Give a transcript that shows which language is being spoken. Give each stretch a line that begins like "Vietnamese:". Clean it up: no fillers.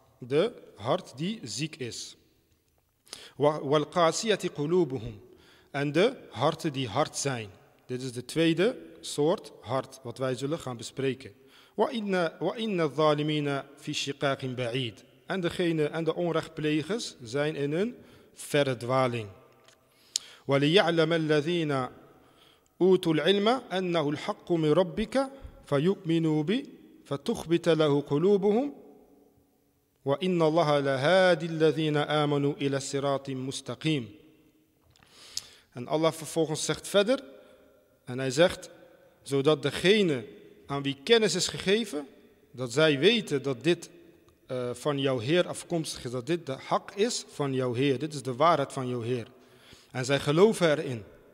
Dutch: De hart die ziek is.
Arabic: وَالْقَاسِيَةِ قُلُوبُهُمْ.
Dutch: En de harten die hard zijn. Dit is de tweede soort hart wat wij zullen gaan bespreken.
Arabic: وَإِنَّ الظَّالِمِينَ فِي شِقَاقٍ بَعِيدٍ.
Dutch: En degene en de onrechtplegers zijn in een verre dwaling.
Arabic: وَلِيَعْلَمَ الَّذِينَ أوتوا العلم أنه الحق من ربك فيؤمنوا به فتخبت له قلوبهم وإن الله لهادي الذين آمنوا إلى صراط مستقيم.
Dutch: En Allah vervolgens zegt verder, en hij zegt: zodat degene aan wie kennis is gegeven, dat zij weten dat dit van jouw Heer afkomstig is, dat dit de hak is van jouw Heer. Dit is de waarheid van jouw Heer. En zij geloven erin.